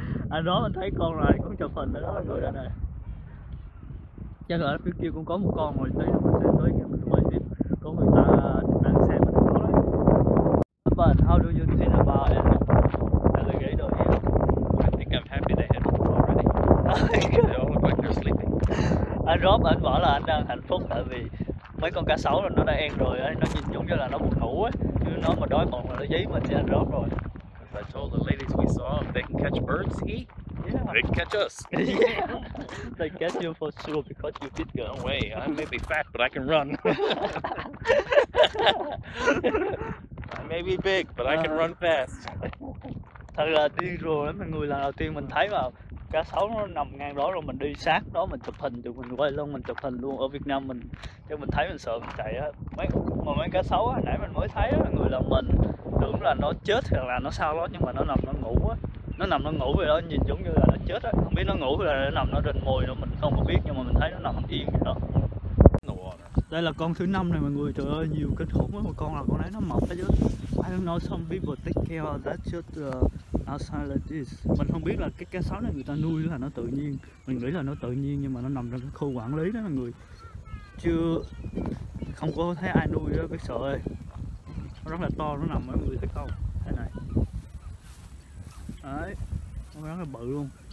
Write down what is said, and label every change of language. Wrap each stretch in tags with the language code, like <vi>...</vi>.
<vi>Anh đó mình thấy con này, con chụp hình ở đó rồi đây này. Chắc là ở phía kia cũng có một con rồi, tới mình sẽ tới ngày mình quay tiếp. Có người ta đang xem mình có đấy.</vi> <en>But how do you think about animals? Alligator here. I think I'm happy they had food already. They all look like they're sleeping.</en> <vi>Anh Rob, anh bảo là anh đang hạnh phúc tại vì mấy con cá sấu là nó đã ăn rồi ấy, nó nhìn giống như là nó buồn ngủ ấy. Nhưng nó mà đói bụng là nó dí mình sẽ ăn Rob rồi.</vi> <en>Because I told the ladies we saw, if they can catch birds, eat. Yeah. They can catch us. Yeah. They catch you for sure because you fit girl. No way, I may be fat, but I can run. I may be big, but I can run fast.</en> <vi>Thật là đi rồi mấy người lần đầu tiên mình thấy mà cá sấu nó nằm ngang đó rồi mình đi sát đó mình chụp hình được mình quay luôn mình chụp hình luôn ở Việt Nam mình cho mình thấy mình sợ mình chạy á mấy mà mấy cá sấu á nãy mình mới thấy á người là mình tưởng là nó chết hoặc là nó sao đó nhưng mà nó nằm nó ngủ á nó nằm nó ngủ vậy đó nhìn giống như là nó chết á không biết nó ngủ hay là nó nằm nó rình mồi rồi mình không có biết nhưng mà mình thấy nó nằm yên vậy đó. Đây là con thứ năm này mọi người, trời ơi nhiều kinh khủng lắm, con là con đấy nó mập hết chứ.</vi> <en>I don't know some people take care of that just outside like this.</en> <vi>Mình không biết là cái cá sấu này người ta nuôi là nó tự nhiên. Mình nghĩ là nó tự nhiên nhưng mà nó nằm trong cái khu quản lý đó mọi người. Chưa, không có thấy ai nuôi đó, biết sợ ơi. Nó rất là to, nó nằm mọi người thấy không? Đây này. Đấy, nó rất là bự luôn.</vi>